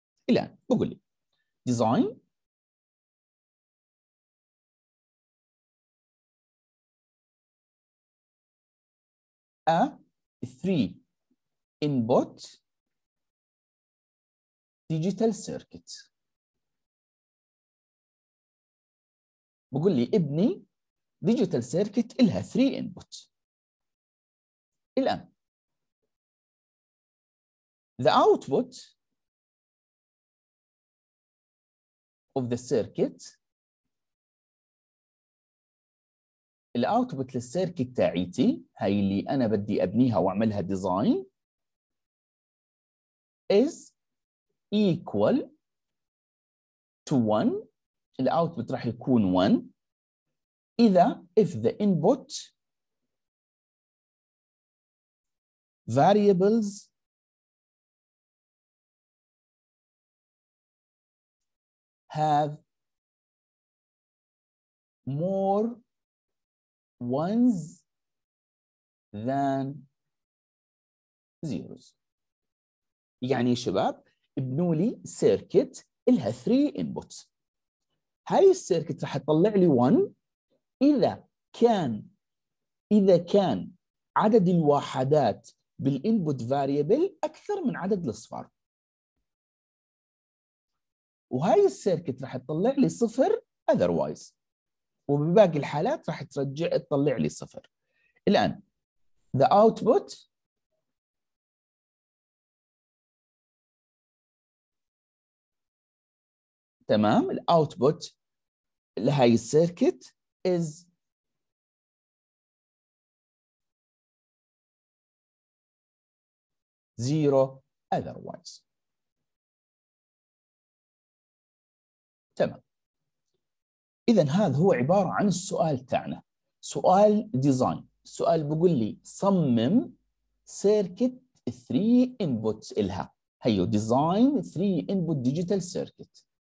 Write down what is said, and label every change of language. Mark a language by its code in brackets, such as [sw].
[ar] الان بقول لي ديزاين ا 3 انبوت ديجيتال سيركت. بقول لي ابني ديجيتال سيركت لها 3 انبوت. الان [en] the output of the circuit، [ar] ال output للسيركت تاعيتي هاي اللي انا بدي ابنيها واعملها ديزاين [en] is equal to 1. [ar] ال output راح يكون 1 اذا [en] if the input variables have more ones than zeros. [ar] يعني شباب ابنوا لي سيركت لها 3 inputs. هاي السيركت راح تطلع لي 1 اذا كان عدد الواحدات بالانبوت فاريبل اكثر من عدد الاصفار، وهاي السيركت راح تطلع لي صفر اذروايز، وبباقي الحالات راح ترجع تطلع لي صفر. الان [en] the output [ar] تمام، ال output لهاي السيركت [en] is zero otherwise. [ar] تمام. إذا هذا هو عبارة عن السؤال تاعنا، سؤال ديزاين، سؤال بقول لي صمم سيركت 3 انبوت إلها، هيو ديزاين 3 انبوت ديجيتال سيركت.